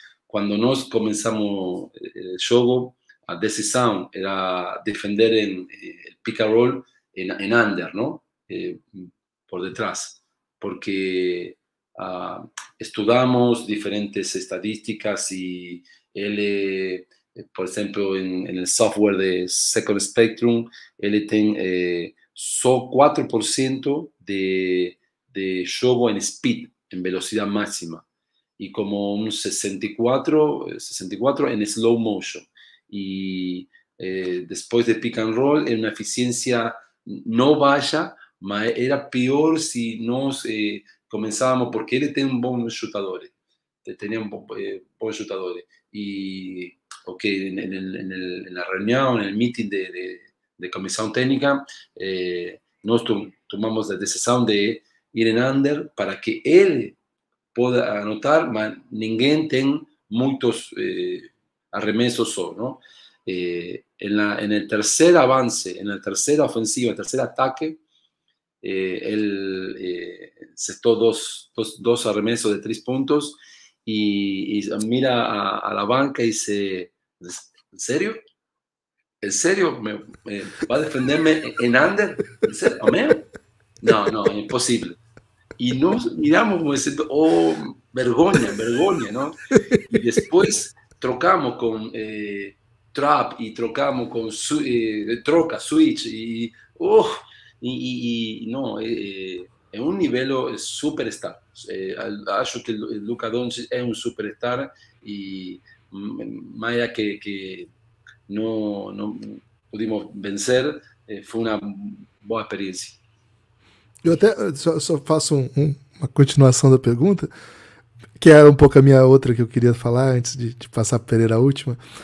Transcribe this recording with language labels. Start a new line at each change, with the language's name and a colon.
Spanish: Cuando nos comenzamos el juego, la decisión era defender en el pick and roll en under, ¿no? Por detrás. Porque estudiamos diferentes estadísticas y él, por ejemplo, en el software de Second Spectrum, él tiene...
Portuguese: só 4% de jogo em speed, em velocidade máxima. E como um 64 em slow motion. E depois de pick and roll, é uma eficiência não baixa, mas era pior se nós começávamos, porque ele tem um bom chutador. Ele tinha um bom chutador. E ok, na reunião,
Spanish: no meeting de comisión técnica, nos tomamos la decisión de ir en under para que él pueda anotar, pero nadie tiene muchos arremesos. ¿No? En el tercer avance, en la tercera ofensiva, en el tercer ataque, él aceptó dos arremesos de tres puntos y mira a la banca y dice, ¿en serio? ¿En serio? ¿Me va a defenderme en under? ¿En serio? ¿Amén? No, imposible. Y nos miramos como diciendo, oh, vergüenza, ¿no? Y después trocamos con trap y trocamos con switch y, oh, y no, es un nivel superstar.
Portuguese: Acho que
Spanish: Luka Doncic es un superstar y más allá que no pudimos vencer,
Portuguese: foi uma boa experiência. Eu até só faço uma continuação da pergunta, que era um pouco a minha outra que eu queria falar antes de passar para Pereira a última.